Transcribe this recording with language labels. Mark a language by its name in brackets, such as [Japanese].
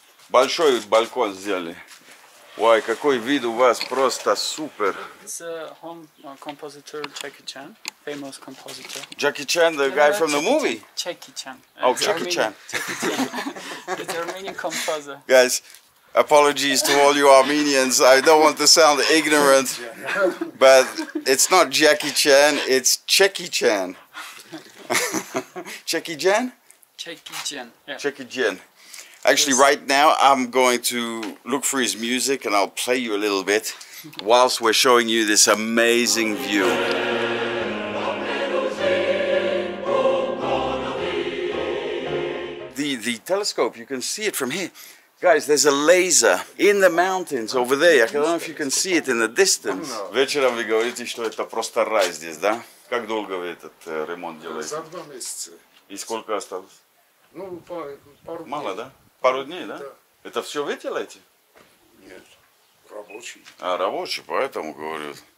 [Russian] Большой балкон сделали. Ой, какой вид у вас, просто супер. [English] It's a home composer, Jackie Chan, famous composer. Jackie Chan, the guy from the movie? Jackie Chan. Oh, Jackie Chan. Jackie Chan. The Armenian composer. Guys, apologies to all you Armenians. I don't want to sound ignorant, but it's not Jackie Chan, it's Checky Chan. Checky Chan? Checky Chan, yeah. Checky Chan. Actually, right now, I'm going to look for his music and I'll play you a little bit whilst we're showing you this amazing view. The telescope, you can see it from here. Guys, there's a laser in the mountains over there. I don't know if you can see it in the distance. [Russian] Вечером вы говорите, что это просто рай здесь, да? Как долго вы этот ремонт делаете? За два месяца. И сколько осталось? Ну, пару дней. Мало, да? Пару дней, да? Да. Это все вы делаете? Нет, рабочий. А, рабочий, поэтому говорю.